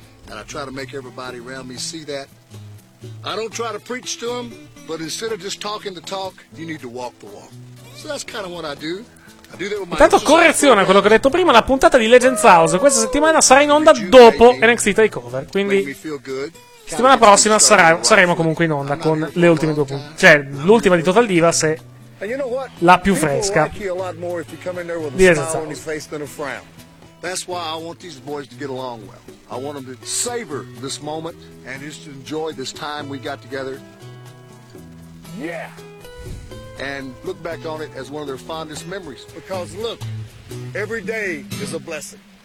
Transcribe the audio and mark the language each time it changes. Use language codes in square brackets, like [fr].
[en] and I try to make everybody around me see that. I don't try to preach to them, but instead of just talking the talk, you need to walk the walk. So that's kind of what I do. [it] Intanto correzione a quello che ho detto prima, la puntata di Legends House questa settimana sarà in onda dopo NXT TakeOver, quindi settimana prossima saremo comunque in onda con le ultime due puntate, cioè l'ultima di Total Divas e la più fresca di Legends House. [en] That's why I want these boys to get along well. I want them to savor this moment and just enjoy this time we got together. Yeah. And look back on it as one of their fondest memories. Because look, every day is a blessing.